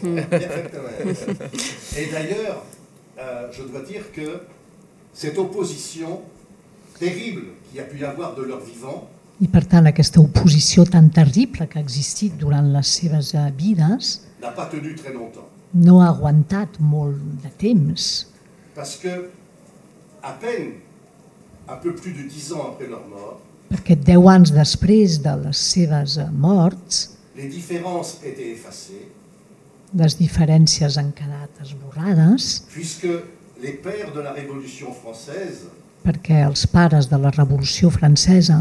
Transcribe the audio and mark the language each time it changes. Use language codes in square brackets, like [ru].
[fr] Et d'ailleurs, je dois dire que cette opposition terrible qu'il y a pu y avoir de leur vivant. [ca] I per tant, aquesta oposició tan terrible que ha existit durant les seves vides [fr] n'a pas tenu très longtemps. [ca] No ha aguantat molt de temps. [fr] Parce que à peine un peu plus de 10 ans après leur mort. [ca] Perquè 10 anys després de les seves morts, [fr] les différences étaient effacées. [ca] Les diferències han quedat esborrades. [fr] Puisque les pères de la Révolution française. [ca] Perquè els pares de la Revolució Francesa,